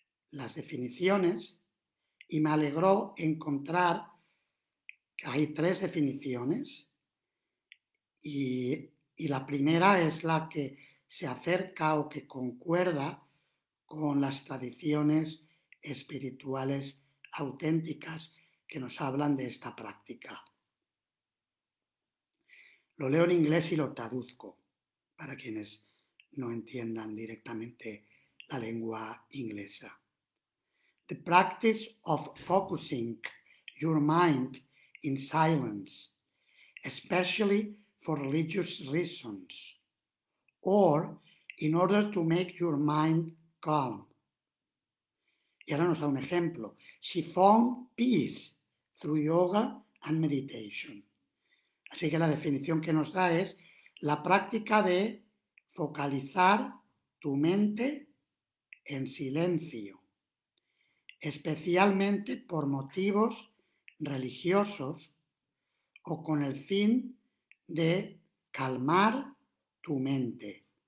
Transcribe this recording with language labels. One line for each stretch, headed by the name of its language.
Spanish: las definiciones y me alegró encontrar que hay tres definiciones y la primera es la que se acerca o que concuerda con las tradiciones espirituales auténticas que nos hablan de esta práctica. Lo leo en inglés y lo traduzco para quienes no entiendan directamente la lengua inglesa.
English: The practice of focusing your mind in silence, especially for religious reasons, or in order to make your mind calm.
Spanish: Y ahora nos da un ejemplo.
English: She found peace through yoga and meditation.
Spanish: Así que la definición que nos da es la práctica de focalizar tu mente en silencio, especialmente por motivos religiosos o con el fin de calmar tu mente.